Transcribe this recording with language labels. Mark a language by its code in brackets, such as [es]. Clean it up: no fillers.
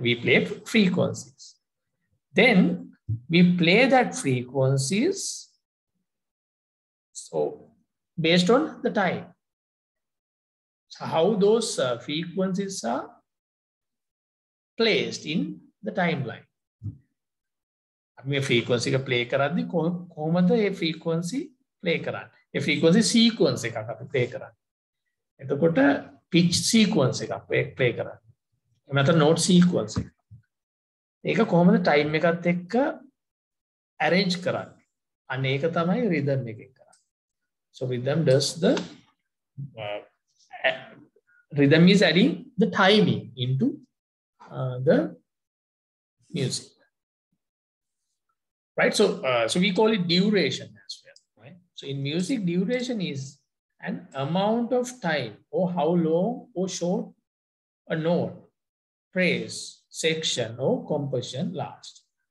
[en] We play frequencies. Then we play that frequencies. So based on the time. So how those frequencies are placed in the timeline. [si] මේ frequency එක play කරද්දී කොහොමද මේ frequency play කරන්නේ? මේ frequency sequence එකක් අපි play කරන්නේ. එතකොට පිච් සීක්වන්ස් එකක් ප්ලේ කරන්නේ. එමෙතන නෝට් සීක්වන්ස් එක. ඒක කොහොමද ටයිම් එකත් එක්ක arrange කරන්නේ? අන්න ඒක තමයි රිද්ම් එකෙන් කරන්නේ. [en] So rhythm does the rhythm is adding the timing into the music. Right, so so we call it duration as well, right? So in music, duration is an amount of time or how long or short a note, phrase, section or composition lasts.